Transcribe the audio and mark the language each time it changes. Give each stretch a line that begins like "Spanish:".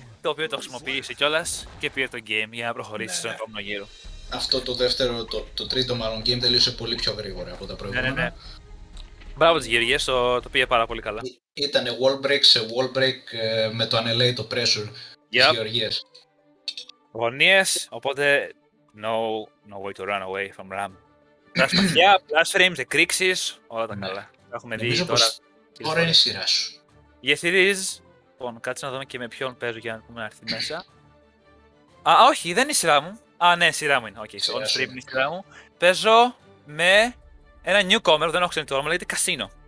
Greek: Το οποίο το χρησιμοποιήσε κιόλας και πήρε το game για να προχωρήσει στον επόμενο γύρο. Αυτό το δεύτερο, το τρίτο μάλλον game τελείωσε πολύ πιο γρήγορα από τα προηγούμενα. Ναι, ναι, ναι. Μπράβο τις γυρίες, το πήγε πάρα πολύ καλά. Ήτανε wall break σε wall break με το annihilate pressure στις γυρίες. Γωνίες, οπότε
English: no way to run away from RAM.
Greek: Πλασπαθιά, blast frames, εκρήξεις, όλα τα καλά. Έχουμε δει τώρα είναι η σειρά σου.
English: Yes it is.
Greek: Λοιπόν, κάτσε να δούμε και με ποιον παίζω για να πούμε να έρθει μέσα. Α, όχι, δεν είναι η σειρά μου. Α, ναι, σειρά μου είναι. Okay, on stream είναι η σειρά μου. Παίζω με... ένα newcomer, δεν έχω ξέρει το όνομα, λέγεται Casino.